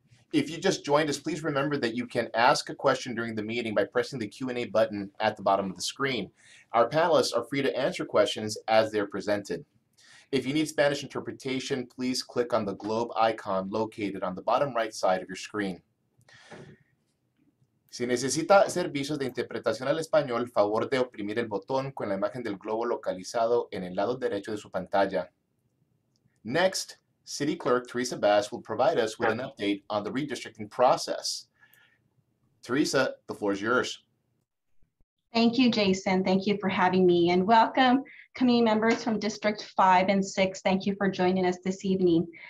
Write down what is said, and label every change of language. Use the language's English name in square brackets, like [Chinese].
[English] If you just joined us, please remember that you can ask a question during the meeting by pressing the Q&A button at the bottom of the screen. Our panelists are free to answer questions as they're presented. If you need Spanish interpretation, please click on the globe icon located on the bottom right side of your screen. [Spanish] Si necesita servicios de interpretación al español, favor de oprimir el botón con la imagen del globo localizado en el lado derecho de su pantalla. [English] Next, City Clerk Teresa Bass will provide us with an update on the redistricting process. Teresa, the floor is yours. Thank you, Jason. Thank you for having me. And welcome, committee members from District 5 and 6. Thank you for joining us this evening.